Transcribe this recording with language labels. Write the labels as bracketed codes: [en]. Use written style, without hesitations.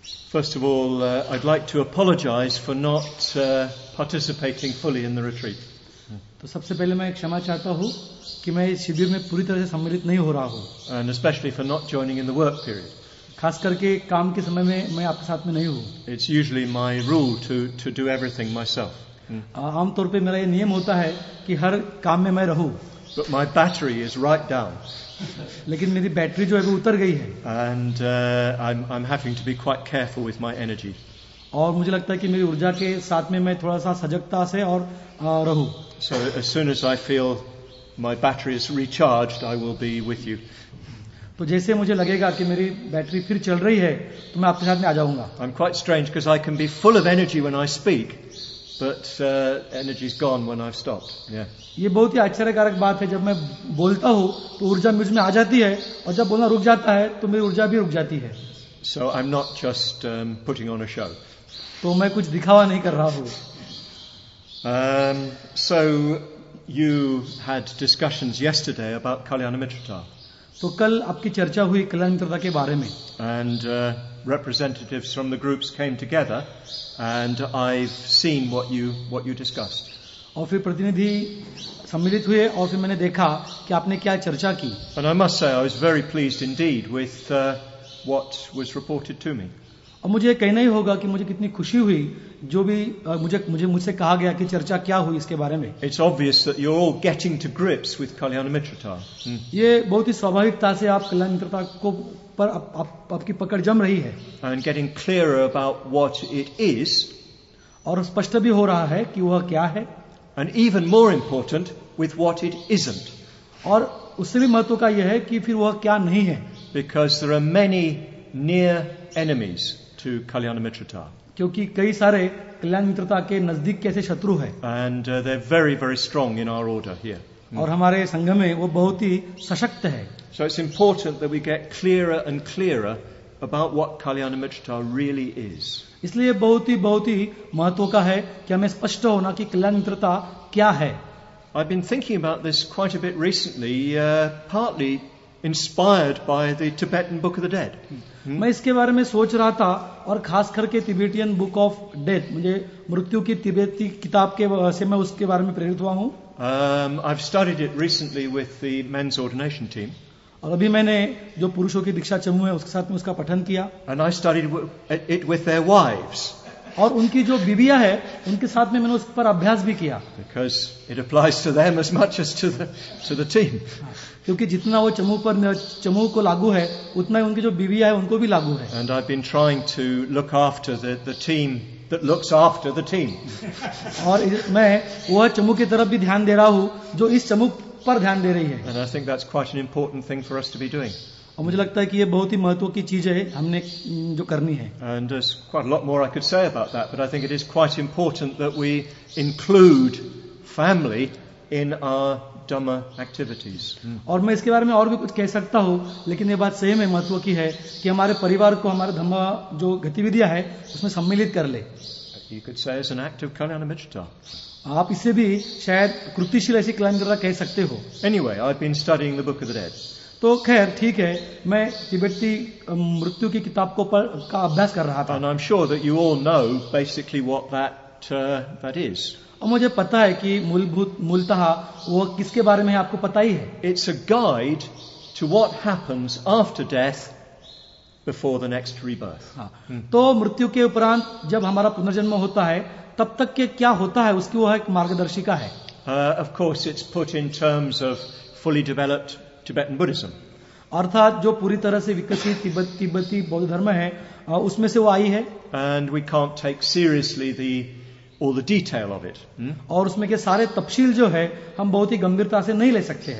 [en] First of all, I'd like to apologise for not participating fully in the retreat. [hi] तो सबसे पहले मैं क्षमा चाहता हूँ कि मैं शिविर में पूरी तरह से सम्मिलित नहीं हो रहा हूँ. [en] And especially for not joining in the work period. [hi] खास करके काम के समय में मैं आपके साथ में नहीं हूँ. [en] It's usually my rule to do everything myself. [hi] आमतौर पे मेरा ये नियम होता है कि हर काम में मैं रहूँ. [en] But my battery is right down. [hi] लेकिन मेरी बैटरी जो है वो उतर गई है. [en] And I'm having to be quite careful with my energy. [hi] और मुझे लगता है कि मेरी ऊर्जा के साथ में मैं थोड़ा सा सजगता से और रहूं. [en] So as soon as I feel my battery is recharged, I will be with you. [hi] तो जैसे मुझे लगेगा कि मेरी बैटरी फिर चल रही है, तो मैं आपके साथ में आ जाऊंगा. [en] I'm quite strange because I can be full of energy when I speak. But energy's gone when I've stopped. Yeah. [hi] ये बहुत ही आश्चर्यकारक बात है. जब मैं बोलता हूँ तो ऊर्जा मुझ में आ जाती है और जब बोलना रुक जाता है तो मेरी ऊर्जा भी रुक जाती है. [en] So I'm not just putting on a show. [hi] तो मैं कुछ दिखावा नहीं कर रहा हूँ. [en] So you had discussions yesterday about Kalyanamitrata. [hi] तो कल आपकी चर्चा हुई कल्याणमित्रता के बारे में. [en] And representatives from the groups came together, and I've seen what you discussed. [hi] और फिर प्रतिनिधि सम्मिलित हुए और फिर मैंने देखा कि आपने क्या चर्चा की. [en] And I must say I was very pleased indeed with what was reported to me. [hi] और मुझे कहना ही होगा कि मुझे कितनी खुशी हुई जो भी मुझे मुझे मुझसे कहा गया कि चर्चा क्या हुई इसके बारे में. [en] It's obvious that you're all getting to grips with Kalyanamitrata. [hi] ये बहुत ही स्वाभाविकता से आप कल्याणमित्रता को पर आपकी पकड़ जम रही है. [en] And getting clearer about what it is. [hi] और स्पष्ट भी हो रहा है कि वह क्या है. [en] And even more important with what it isn't. [hi] और उससे भी महत्व का यह है कि फिर वह क्या नहीं है. [en] Because there are many near enemies to Kalyanamitrata. [hi] क्योंकि कई सारे कल्याणमित्रता के नजदीक कैसे शत्रु हैं. [en] And they're very, very strong in our order here. [hi] और हमारे संघ में वो बहुत ही सशक्त है. [en] So it's important that we get clearer and clearer about what Kalyanamitrata really is. [hi] इसलिए बहुत ही महत्व का है कि हमें स्पष्ट होना कि कल्याणमित्रता क्या है. [en] I've been thinking about this quite a bit recently, partly inspired by the Tibetan Book of the Dead. [hi] मैं इसके बारे में सोच रहा था और खास करके तिब्बतीयन बुक ऑफ डेथ मुझे मृत्यु की तिब्बती किताब के से मैं उसके बारे में प्रेरित हुआ हूँ. [en] I've studied it recently with the men's ordination team. [hi] और अभी मैंने जो पुरुषों की दीक्षा चमु है उसके साथ में उसका पठन किया. [en] And I studied it with their wives. [hi] और उनकी जो बीबियां हैं उनके साथ में मैंने उस पर अभ्यास भी किया. [en] Because it applies to them as much as to the team. [hi] क्योंकि जितना वो चमू को लागू है उतना ही उनकी जो बीबियां हैं उनको भी लागू है. [en] And I've been trying to look after the team that looks after the team. [hi] और मैं वह चमू की तरफ भी ध्यान दे रहा हूँ जो इस चमू पर ध्यान दे रही है. [en] And I think that's quite an important thing for us to be doing. [hi] और मुझे लगता है कि ये बहुत ही महत्व की चीज है हमने जो करनी है. [en] And there's quite a lot more I could say about that, but I think it is quite important that we include family in our Dhamma activities. [hi] और मैं इसके बारे में और भी कुछ कह सकता हूँ लेकिन ये बात सही में महत्व की है कि हमारे परिवार को हमारे धम्म जो गतिविधियां है उसमें सम्मिलित कर ले. [en] You could say it's an act of Kalyanamitrata. [hi] आप इसे भी शायद कृतिशील ऐसी कल्याणमित्रता कह सकते हो. [en] Anyway, I've been studying the Book of the Dead. [hi] तो खैर ठीक है मैं तिब्बती मृत्यु की किताब को पर का अभ्यास कर रहा था. [en] And I'm sure that you all know basically what that is. [hi] और मुझे पता है कि मूलतः वो किसके बारे में है आपको पता ही है. [en] It's a guide to what happens after death before the next rebirth. [hi] तो मृत्यु के उपरांत जब हमारा पुनर्जन्म होता है तब तक के क्या होता है उसकी वो एक मार्गदर्शिका है. [en] Of course it's put in terms of fully developed Tibetan Buddhism. [hi] अर्थात जो पूरी तरह से विकसित तिब्बती बौद्ध धर्म है उसमें से वो आई है. [en] And we can't take seriously all the detail of it. [hi] और उसमें के सारे तपशील जो है हम बहुत ही गंभीरता से नहीं ले सकते हैं.